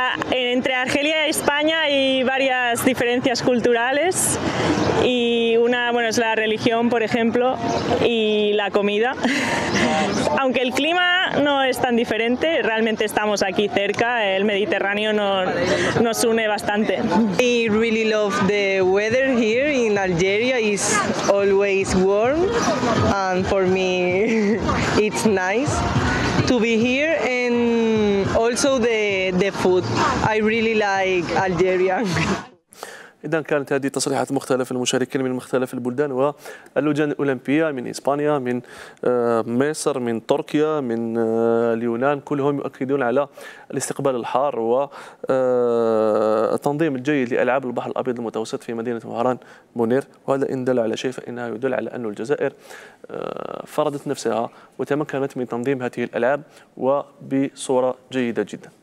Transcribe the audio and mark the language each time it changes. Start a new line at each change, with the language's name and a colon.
Spanish: Entre Argelia y España hay varias diferencias culturales, y una, bueno, es la religión, por ejemplo, y la comida. Aunque el clima no es tan diferente, realmente estamos aquí cerca, el Mediterráneo nos une bastante.
English: I really love the weather here in Algeria, it's always warm, and for me it's nice to be here, and also the food. I really like Algeria.
Arabic: إذن كانت هذه تصريحات مختلف المشاركين من مختلف البلدان واللجان الأولمبية من إسبانيا, من مصر, من تركيا, من اليونان, كلهم يؤكدون على الاستقبال الحار والتنظيم الجيد لألعاب البحر الأبيض المتوسط في مدينة وهران منير, وهذا إن دل على شيء فإنها يدل على أن الجزائر فرضت نفسها وتمكنت من تنظيم هذه الألعاب وبصورة جيدة جدا.